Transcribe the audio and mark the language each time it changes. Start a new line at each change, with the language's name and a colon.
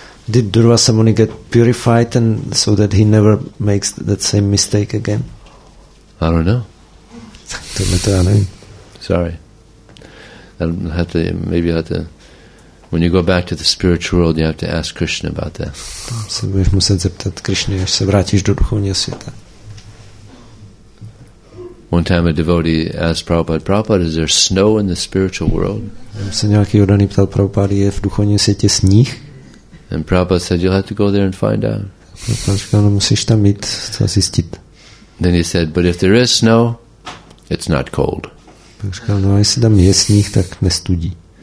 English: Did Durvasamuni get purified and so that he never makes that same mistake again? I don't know.
Czech: Tohle to já nevím.
English: Sorry. Maybe you have to when you go back to the spiritual world you have to ask Krishna about that.
Czech: Tam se budeš muset zeptat Krishny, až se vrátíš do duchovního světa.
English: One time a devotee asked Prabhupada, Prabhupada, is there snow in the spiritual world?
Czech: Tam se nějaký oddaný ptal Prabhupada, je v duchovním světě sníh?
English: And Prabhupada said, you'll have to go there and find out.
Czech: Prabhupada říkal, no, musíš tam jít, co zjistit.
English: Then he said, but if there is snow, it's not cold.
Czech: Tak říkal, no a jestli tam je sníh, tak nestudí.